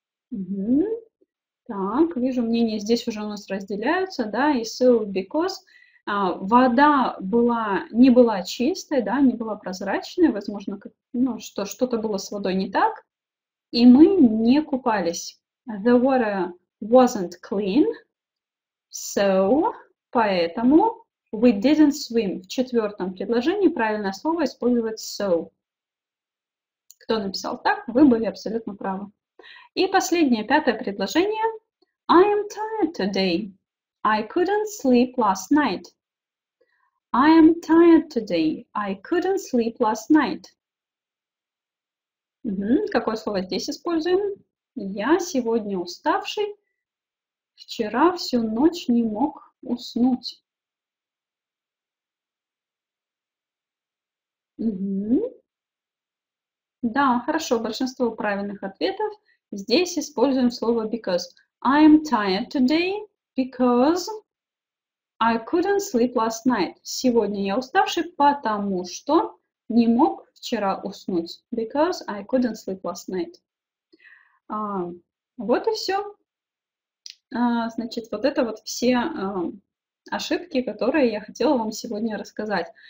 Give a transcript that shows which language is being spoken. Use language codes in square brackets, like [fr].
[ru] Угу. Так, вижу, мнения здесь уже у нас разделяются, да, и so because вода была, не была чистой, да, не была прозрачной, возможно, как, ну, что, что-то было с водой не так, и мы не купались. [en] The water wasn't clean, so, [ru] поэтому [en] we didn't swim. [ru] В четвертом предложении правильное слово использовать so. Кто написал так, вы были абсолютно правы. И последнее, пятое предложение. [en] I am tired today. I couldn't sleep last night. I am tired today. I couldn't sleep last night. Угу. [ru] Какое слово здесь используем? Я сегодня уставший. Вчера всю ночь не мог уснуть. Угу. Да, хорошо, большинство правильных ответов. Здесь используем слово because. [en] I'm tired today because I couldn't sleep last night. [ru] Сегодня я уставший, потому что не мог вчера уснуть. [en] Because I couldn't sleep last night. [ru] Вот и все. Значит, вот это вот все ошибки, которые я хотела вам сегодня рассказать.